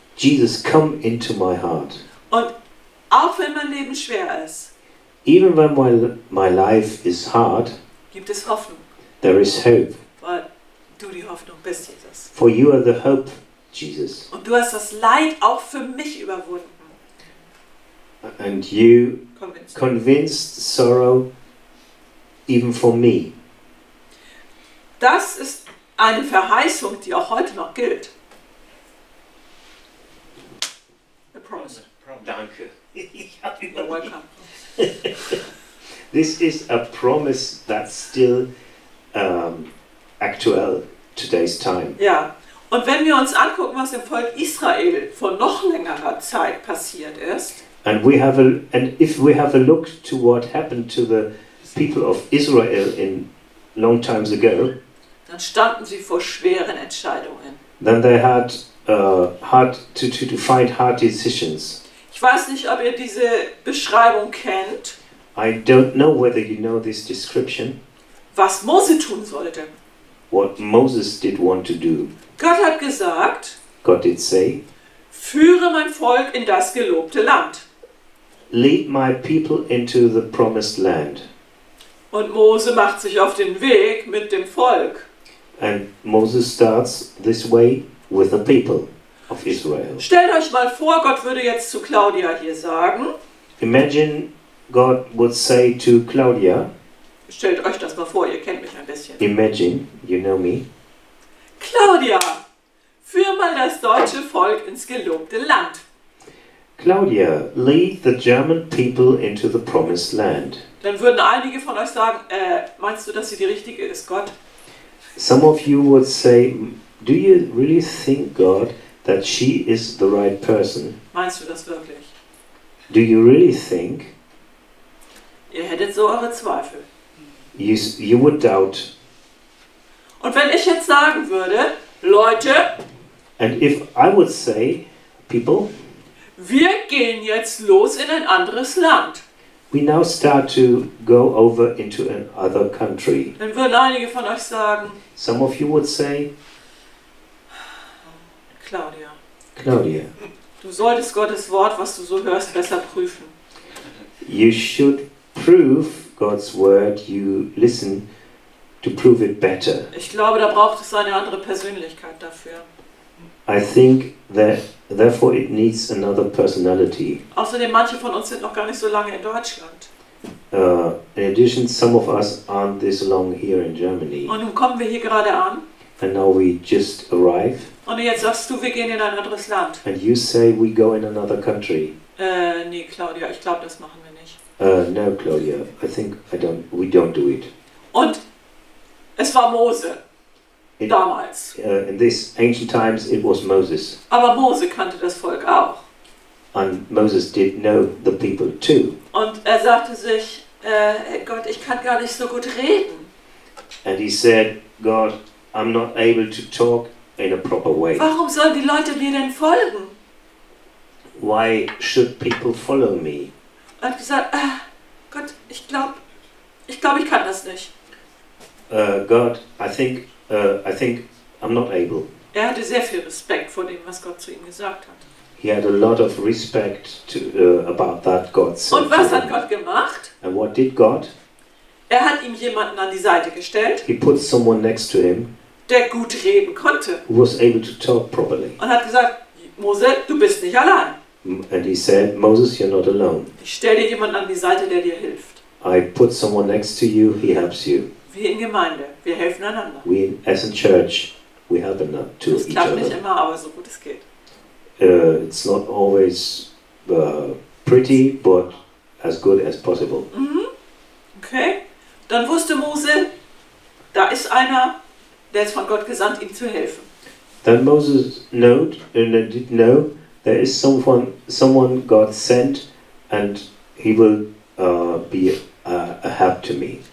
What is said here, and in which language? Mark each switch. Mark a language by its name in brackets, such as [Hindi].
[English] Jesus, come into my heart. [German] Und auch wenn mein Leben schwer ist, [English] even when my life is hard, [German] gibt es Hoffnung. [English] There is hope. [German] Weil du die Hoffnung bist, Jesus. [English] For you are the hope, Jesus. [German] Und du hast das Leid auch für mich überwunden. [English] And you convinced sorrow even for me. [German] Das ist eine Verheißung, die auch heute noch gilt. [English] A promise. [German] Danke. Ich habe überlegt. [English] You're welcome. This is a promise that's still aktuell today's time. [German] Ja. Und wenn wir uns angucken, was im Volk Israel vor noch längerer Zeit passiert ist. [English] And we have a and if we have a look to what happened to the people of Israel in long times ago, [German] dann standen sie vor schweren Entscheidungen. [English] Then they had hard to find hard decisions. [German] Ich weiß nicht, ob ihr diese Beschreibung kennt. [English] I don't know whether you know this description. [German] Was Mose tun sollte. [English] What Moses did want to do. [German] Gott hat gesagt. [English] God did say. [German] Führe mein Volk in das gelobte Land. [English] Lead my people into the promised land. [German] Und Mose macht sich auf den Weg mit dem Volk. [English] And Moses starts this way with the people of Israel. [German] Stellt euch mal vor, Gott würde jetzt zu Claudia hier sagen. [English] Imagine God would say to Claudia. [German] Stellt euch das mal vor, ihr kennt mich ein bisschen. [English] Imagine, you know me. [German] Claudia, führ mal das deutsche Volk ins gelobte Land. [English] Claudia, lead the German people into the promised land. [German] Dann würden einige von euch sagen, meinst du, dass sie die richtige ist, Gott? [English] Some of you would say, do you really think, God, that she is the right person? [German] Meinst du das wirklich? [English] Do you really think? [German] Ihr hättet so eure Zweifel. [English] You would doubt. [German] Und wenn ich jetzt sagen würde, Leute, [English] and if I would say, people, [German] wir gehen jetzt los in ein anderes Land. [English] We now start to go over into another country. [German] Dann würden einige von euch sagen, [English] some of you would say, [German] Claudia, du solltest Gottes Wort, was du so hörst, besser prüfen. [English] You should prove God's word you listen to prove it better. [German] Ich glaube, da braucht es eine andere Persönlichkeit dafür. [English] I think that therefore it needs another personality. [German] Außerdem, manche von uns sind noch gar nicht so lange in Deutschland. [English] In addition, some of us aren't this long here in Germany. [German] Und nun kommen wir hier gerade an. [English] And now we just arrive. [German] Und jetzt sagst du, wir gehen in ein anderes Land. [English] And you say we go in another country. [German] Nee, Claudia, ich glaube, das machen wir nicht. [English] No, Claudia, I think we don't do it. [German] Und es war Mose. Damals. [English] In these ancient times, it was Moses. [German] Aber Mose kannte das Volk auch. [English] And Moses did know the people too. [German] Und er sagte sich, Gott, ich kann gar nicht so gut reden. [English] And he said, God, I'm not able to talk in a proper way. [German] Warum sollen die Leute mir denn folgen? [English] Why should people follow me? [German] Er hat gesagt, Gott, ich glaube, ich kann das nicht. [English] God, I think I'm not able. [German] Er hatte sehr viel Respekt vor dem, was Gott zu ihm gesagt hat. [English] He had a lot of respect to, about that God said. [German] Und was hat Gott gemacht? [English] And what did God? [German] Er hat ihm jemanden an die Seite gestellt. [English] He put someone next to him. [German] Der gut reden konnte. [English] Who was able to talk properly. [German] Und hat gesagt, Mose, du bist nicht allein. [English] And he said, Moses, you're not alone. [German] Ich stell dir jemanden an die Seite, der dir hilft. [English] I put someone next to you, he helps you. [German] Wir in Gemeinde, wir helfen einander. [English] We, as a church, we help to [German] das [English] each other. [German] Das klappt nicht immer, aber so gut es geht. [English] It's not always pretty, but as good as possible. Mm-hmm. [German] Okay, dann wusste Mose, da ist einer, der ist von Gott gesandt, ihm zu helfen. [English] Then Moses did know there is someone God sent, and he will be a help to me.